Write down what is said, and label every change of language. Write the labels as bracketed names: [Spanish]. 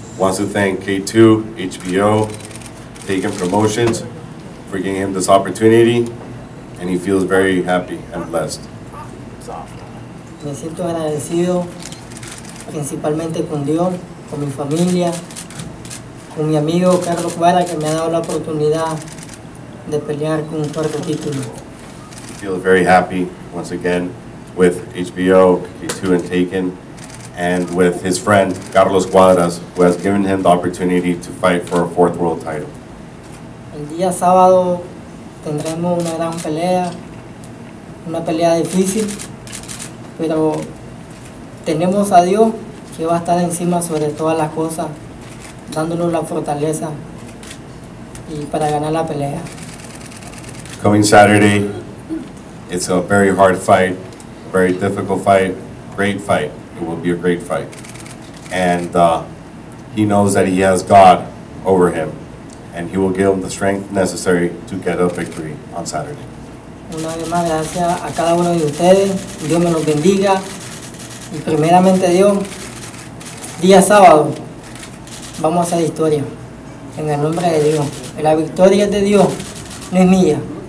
[English] Wants to thank K2, HBO, Taken Promotions for giving him this opportunity, and he feels very happy and blessed. [Spanish] Me siento agradecido principalmente con Dios, con mi familia, con mi amigo Carlos Cuadras que me ha dado la oportunidad de pelear con un cuarto título. [English] He feels very happy once again with HBO, K2, and Taken, and with his friend, Carlos Cuadras, who has given him the opportunity to fight for a fourth world title. [Spanish] El día sábado tendremos una gran pelea, una pelea difícil, pero tenemos a Dios que va a estar encima sobre todas las cosas, dándonos la fortaleza y para ganar la pelea. [English] Coming Saturday, it's a very hard fight, very difficult fight, great fight. It will be a great fight. And he knows that he has God over him, and he will give him the strength necessary to get a victory on Saturday. [Spanish] Una vez más, gracias a cada uno de ustedes. Dios me los bendiga. Y primeramente Dios, día sábado, vamos a hacer historia. En el nombre de Dios. La victoria es de Dios, no es mía.